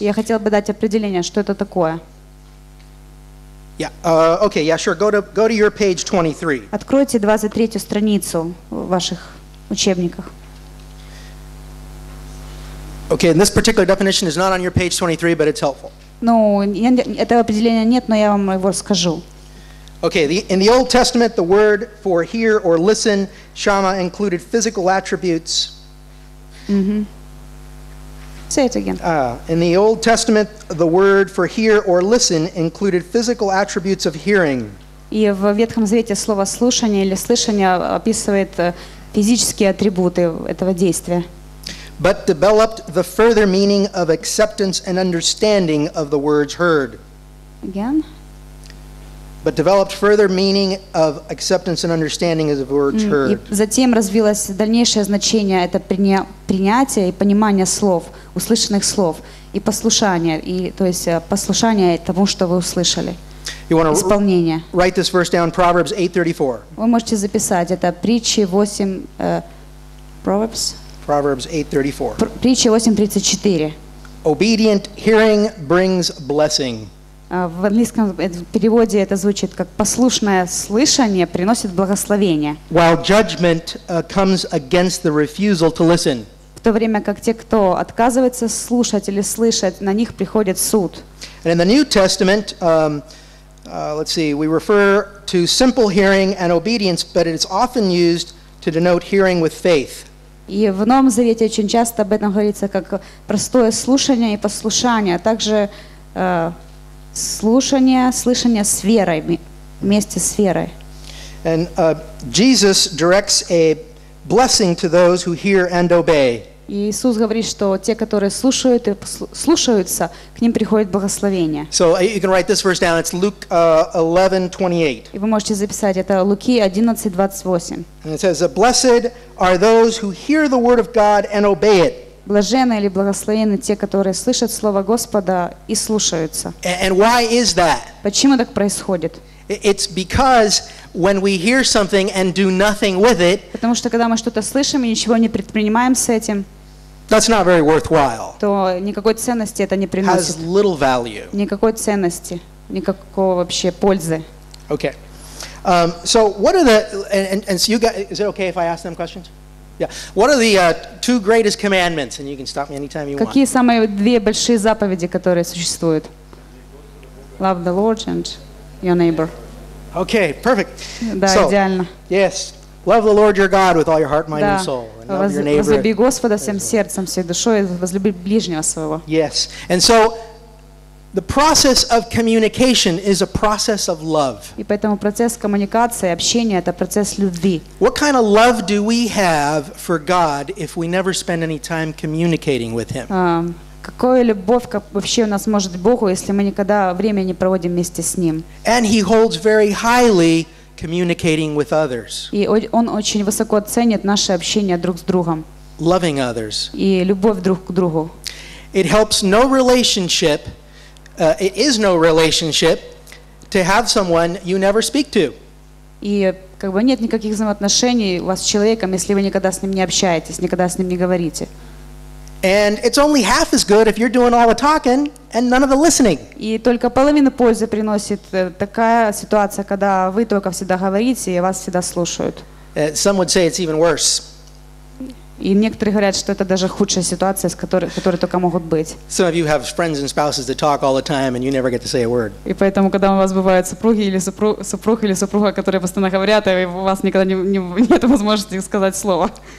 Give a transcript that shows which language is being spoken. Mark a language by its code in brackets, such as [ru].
[ru] Я хотел бы дать определение, что это такое. [en] Yeah, sure. Go to your page 23. [ru] Откройте 23-ю страницу в ваших учебниках. [en] Okay, and this particular definition is not on your page 23, but it's helpful. [ru] Ну, этого определения нет, но я вам его скажу. [en] Okay, in the Old Testament, the word for hear or listen, shama, included physical attributes. Mm-hmm. Say it again. In the Old Testament, the word for hear or listen included physical attributes of hearing. [ru] И в Ветхом Завете слово слушание или слышание описывает физические атрибуты этого действия. [en] But developed the further meaning of acceptance and understanding of the words heard. Again? But developed further meaning of acceptance and understanding of the words heard. [ru] И затем развилось дальнейшее значение, это принятие и понимание слов, услышанных слов, и послушание, и, то есть послушание тому, что вы услышали. [en] You want to write this verse down, Proverbs 8:34. [ru] Вы можете записать это, притчи 8, Proverbs? [en] Proverbs 8:34. [ru] Притча 8:34. [en] Obedient hearing brings blessing. [ru] В английском переводе это звучит как послушное слышание приносит благословение. [en] While judgment comes against the refusal to listen. [ru] В то время как те, кто отказывается слушать или слышать, на них приходит суд. [en] And in the New Testament, we refer to simple hearing and obedience, but it's often used to denote hearing with faith. [ru] И в Новом Завете очень часто об этом говорится как простое слушание и послушание, а также слушание с верой. вместе с верой. [en] And Jesus directs a blessing to those who hear and obey. [ru] И Иисус говорит, что те, которые слушают и слушаются, к ним приходит благословение. [en] So you can write this verse down. It's Luke 11:28. [ru] И вы можете записать это Луки 11:28. [en] And it says, "Blessed are those who hear the word of God and obey it." [ru] Блаженны или благословены те, которые слышат слово Господа и слушаются. [en] And why is that? [ru] Почему так происходит? [en] It's because when we hear something and do nothing with it, [ru] потому что когда мы что-то слышим и ничего не предпринимаем с этим, [en] that's not very worthwhile. [ru] То никакой ценности это не приносит. [en] Has little value. [ru] Никакой ценности, никакого вообще пользы. [en] Okay. So what are the and so you guys, is it okay if I ask them questions? Yeah. What are the two greatest commandments? And you can stop me anytime you [ru] какие [en] want. [ru] Какие самые две большие заповеди, которые существуют? [en] Love the Lord and your neighbor. Okay, perfect. [ru] Да, [en] so, [ru] идеально. [en] Yes. Love the Lord your God with all your heart, mind, and soul. And love your neighbor. [ru] Возлюби Господа всем сердцем, всей душой, возлюби ближнего своего. [en] Yes. And so the process of communication is a process of love. [ru] И поэтому процесс коммуникации, общения это процесс любви. [en] What kind of love do we have for God if we never spend any time communicating with him? [ru] Какая любовь вообще у нас может быть Богу, если мы никогда время не проводим вместе с Ним? [en] And he holds very highly communicating with others. [ru] И Он очень высоко ценит наше общение друг с другом. [en] Loving others. [ru] И любовь друг к другу. [en] It helps no relationship, it is no relationship to have someone you never speak to. [ru] И как бы нет никаких взаимоотношений у вас с человеком, если вы никогда с ним не общаетесь, никогда с ним не говорите. [en] And it's only half as good if you're doing all the talking and none of the listening. [ru] И только половина пользы приносит такая ситуация, когда вы только всегда говорите и вас всегда слушают. [en] Some would say it's even worse. [ru] И некоторые говорят, что это даже худшая ситуация, с которой только могут быть. [en] Some of you have friends and spouses that talk all the time and you never get to say a word. [ru] И поэтому, когда у вас бывают супруги или супруг или супруга, которые постоянно говорят, и у вас никогда нет возможности сказать слово.